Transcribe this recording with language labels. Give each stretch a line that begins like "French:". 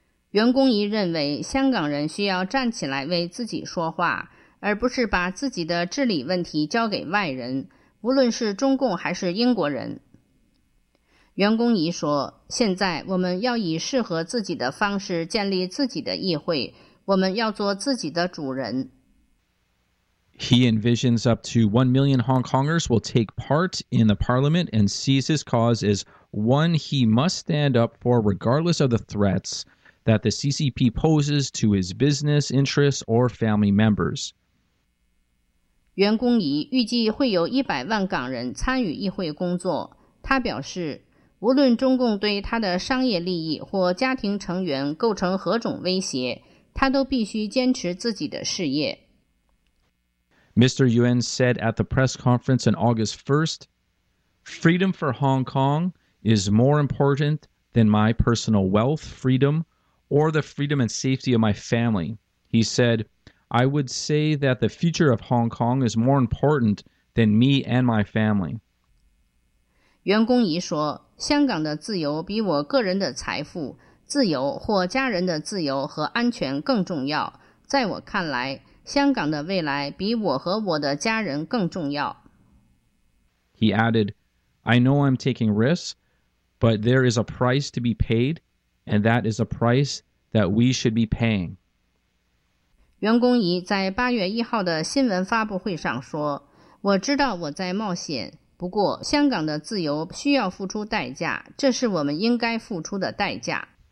Chinese: 袁公仪认为，香港人需要站起来为自己说话，而不是把自己的治理问题交给外人，无论是中共还是英国人。袁公仪说，现在我们要以适合自己的方式建立自己的议会，我们要做自己的主人。
English: He envisions up to 1 million Hong Kongers will take part in the parliament and sees his cause as one he must stand up for regardless of the threats. That the CCP poses to his business interests or family members.
Chinese: 袁公仪预计会有100万港人参与议会工作。他表示，无论中共对他的商业利益或家庭成员构成何种威胁，他都必须坚持自己的事业。
English: Mr. Yuan said at the press conference on August 1st, "Freedom for Hong Kong is more important than my personal wealth, freedom." Or the freedom and safety of my family. He said, I would say that the future of Hong Kong is more important than me and my family.
Chinese: 袁公仪说，香港的自由比我个人的财富、自由或家人的自由和安全更重要。在我看来，香港的未来比我和我的家人更重要。
English: He added, I know I'm taking risks, but there is a price to be paid. And that is a price that we should be paying.
Chinese: 袁公仪在八月一号的新闻发布会上说，我知道我在冒险，不过香港的自由需要付出代价，这是我们应该付出的代价。